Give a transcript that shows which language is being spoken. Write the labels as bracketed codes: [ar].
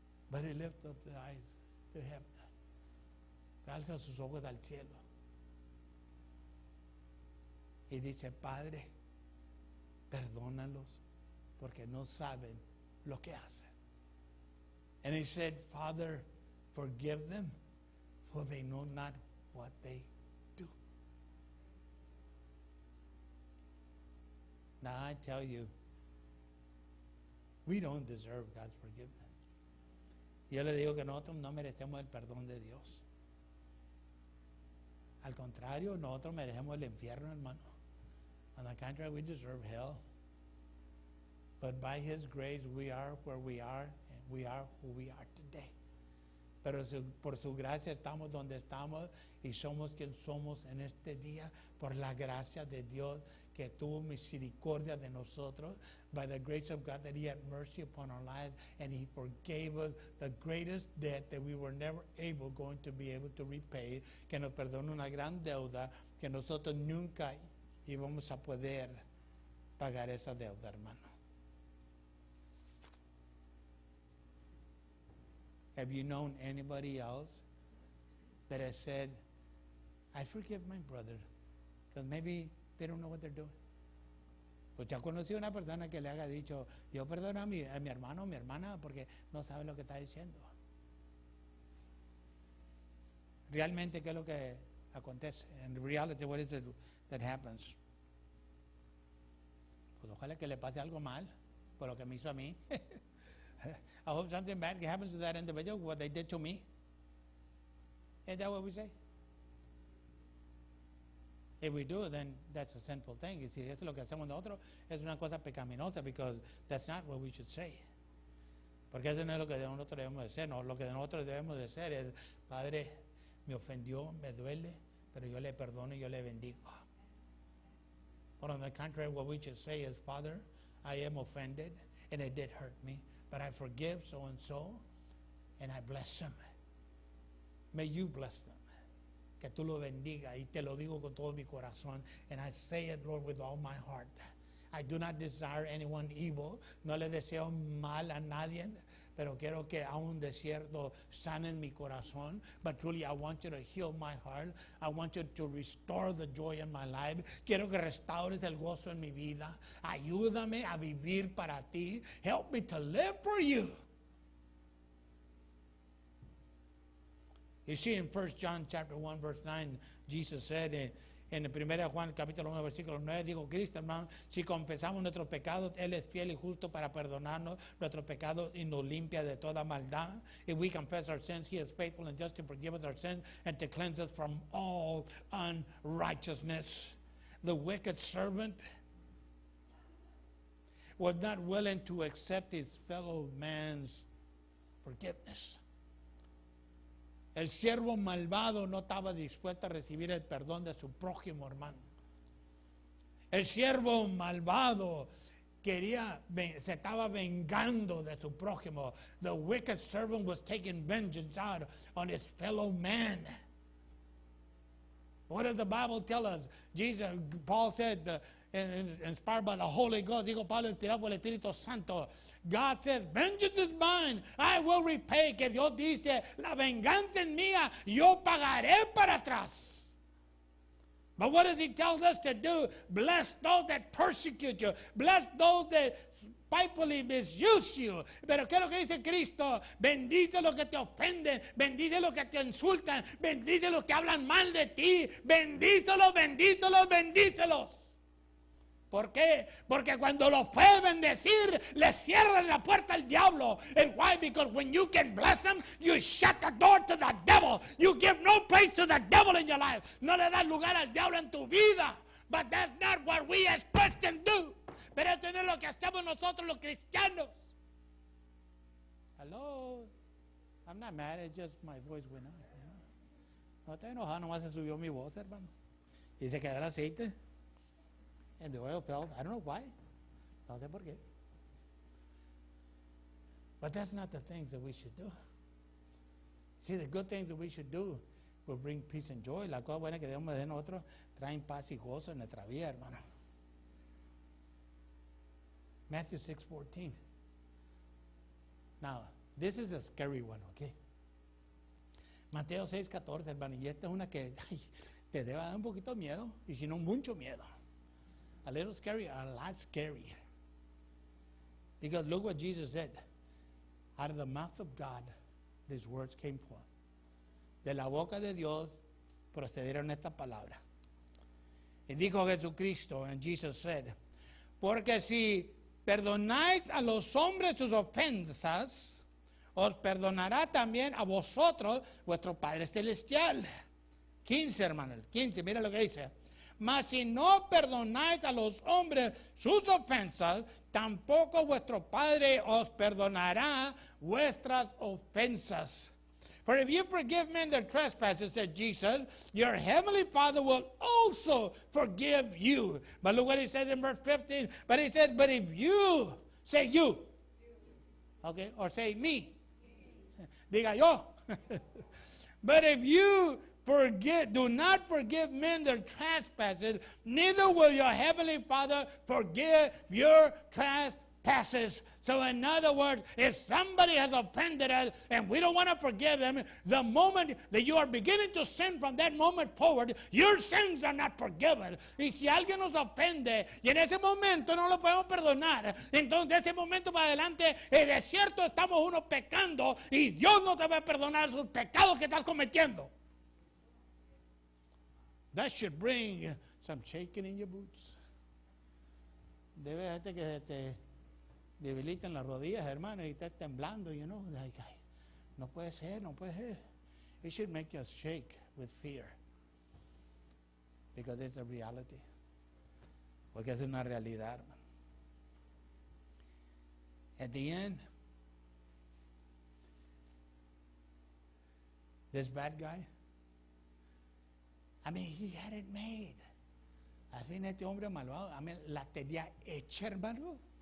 [en] But he lifted up the eyes to heaven. [es] Alza sus ojos al cielo. Y dice, Padre, perdónalos porque no saben lo que hacen. [en] And he said, Father, forgive them, for they know not what they do. Now I tell you, we don't deserve God's forgiveness. [es] Yo le digo que nosotros no merecemos el perdón de Dios. Al contrario, nosotros merecemos el infierno, hermano. [en] On the contrary, we deserve hell. But by his grace, we are where we are, and we are who we are today. [es] Pero por su gracia estamos donde estamos, y somos quien somos en este día, por la gracia de Dios que tuvo misericordia de nosotros. [en] By the grace of God that he had mercy upon our lives, and he forgave us the greatest debt that we were never able, going to be able to repay. [es] Que nos perdonó una gran deuda que nosotros nunca y vamos a poder pagar esa deuda, hermano. [en] Have you known anybody else that has said, I forgive my brother, because maybe they don't know what they're doing? [es] Pues ya conocí una persona que le haya dicho, yo perdono a mi hermano o mi hermana porque no sabe lo que está diciendo. Realmente, ¿qué es lo que acontece? [en] In reality, what is it that happens? [es] Ojalá que le pase algo mal por lo que me hizo a mí. [en] I hope something bad happens to that individual, what they did to me. Is that what we say? If we do, then that's a sinful thing. You see, [es] eso es lo que hacemos nosotros, es una cosa pecaminosa, [en] because that's not what we should say. [es] Porque eso no es lo que nosotros debemos de ser. No, lo que nosotros debemos de ser es, Padre, me ofendió, me duele, pero yo le perdono y yo le bendigo. [en] But on the contrary, what we should say is, Father, I am offended, and it did hurt me, but I forgive so-and-so, and I bless them. May you bless them. [es] Que tú lo bendiga, y te lo digo con todo mi corazón, [en] and I say it, Lord, with all my heart. I do not desire anyone evil. [es] No le deseo mal a nadie, pero quiero que aún desierto sanen mi corazón. [en] But truly, I want you to heal my heart. I want you to restore the joy in my life. [es] Quiero que restaures el gozo en mi vida. Ayúdame a vivir para ti. [en] Help me to live for you. You see, in 1 John chapter 1, verse 9, Jesus said it. [es] En 1 Juan capítulo 1 versículo 9 dijo Cristo, hermano, si confesamos nuestros pecados, Él es fiel y justo para perdonarnos nuestros pecados y nos limpia de toda maldad. [en] If we confess our sins, He is faithful and just to forgive us our sins and to cleanse us from all unrighteousness. The wicked servant was not willing to accept his fellow man's forgiveness. [es] El siervo malvado no estaba dispuesto a recibir el perdón de su prójimo, hermano. El siervo malvado se estaba vengando de su prójimo. [en] The wicked servant was taking vengeance out on his fellow man. What does the Bible tell us? Jesus, Paul said, inspired by the Holy Ghost, [es] dijo Pablo, inspirado por el Espíritu Santo. [en] God says, vengeance is mine, I will repay. [es] Que Dios dice, la venganza es mía, yo pagaré para atrás. [en] But what does he tell us to do? Bless those that persecute you. Bless those that spitefully misuse you. [es] Pero ¿qué es lo que dice Cristo? Bendice los que te ofenden. Bendice los que te insultan. Bendice los que hablan mal de ti. Bendícelos, bendícelos, bendícelos. ¿Por qué? Porque cuando los puedes bendecir, le cierran la puerta al diablo. [en] And why? Because when you can bless them, you shut the door to the devil. You give no place to the devil in your life. [es] No le das lugar al diablo en tu vida. [en] But that's not what we as Christians do. [es] Pero esto no es lo que hacemos nosotros los cristianos. [en] Hello? I'm not mad, it's just my voice went out. [es] No te enojas, nomás se subió mi voz, hermano. Y se quedó el aceite. [en] And the oil fell. I don't know why. [es] No sé por qué. [en] But that's not the things that we should do. See, the good things that we should do will bring peace and joy. [es] La cosa buena que debemos de nosotros traen paz y gozo en nuestra vida, hermano. [en] Matthew 6:14. Now, this is a scary one, okay? [es] Mateo 6:14, hermano. Y esta es una que ay, te debe dar un poquito miedo, y si no, mucho miedo. [en] A little scary, a lot scarier. Because look what Jesus said. Out of the mouth of God, these words came forth. [es] De la boca de Dios procedieron estas palabras. Y dijo Jesucristo, [en] and Jesus said, [es] porque si perdonáis a los hombres sus ofensas, os perdonará también a vosotros vuestro Padre Celestial. 15, hermano, 15, mira lo que dice. Mas si no perdonáis a los hombres sus ofensas, tampoco vuestro Padre os perdonará vuestras ofensas. [en] For if you forgive men their trespasses, said Jesus, your heavenly Father will also forgive you. But look what he says in verse 15. But he says, but if you, say you. Okay, or say me. [es] Diga yo. [en] But if you forgive, do not forgive men their trespasses, neither will your heavenly Father forgive your trespasses. So in other words, if somebody has offended us and we don't want to forgive them, the moment that you are beginning to sin from that moment forward, your sins are not forgiven. [es] Y si alguien nos ofende y en ese momento no lo podemos perdonar, entonces de ese momento para adelante, de cierto estamos uno pecando y Dios no te va a perdonar sus pecados que estás cometiendo. [en] That should bring some shaking in your boots. [es] Debe hacerte que te debiliten las rodillas, hermano, y estés temblando, [en] you know. Like, [es] no puede ser, no puede ser. [en] It should make you shake with fear. Because it's a reality. [es] Porque es una realidad, hermano. [en] At the end, this bad guy, I mean, he had it made. [es] Al fin, este hombre malvado, [en] I mean, [es] la tenía hecha, hermano.